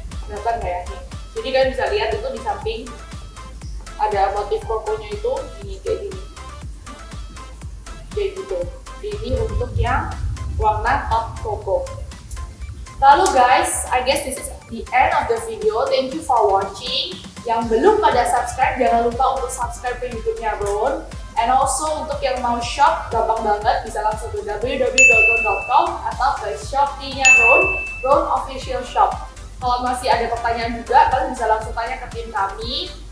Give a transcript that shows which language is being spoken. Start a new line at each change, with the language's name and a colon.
Indonesian: Kelihatan gak ya nih? Jadi kalian bisa lihat itu di samping ada motif kokonya itu ini kayak gini. Kayak gitu. Ini untuk yang warna top koko.
English: Lalu guys, I guess this is the end of the video. Thank you for watching.
Indonesian: Yang belum pada subscribe, jangan lupa untuk subscribe ke YouTube-nya Ron.
English: And also
Indonesian: untuk yang mau shop, gampang banget. Bisa langsung ke www.ron.com atau ke Shopee-nya Ron. Ron Official Shop. Kalau masih ada pertanyaan juga, kalian bisa langsung tanya ke tim kami.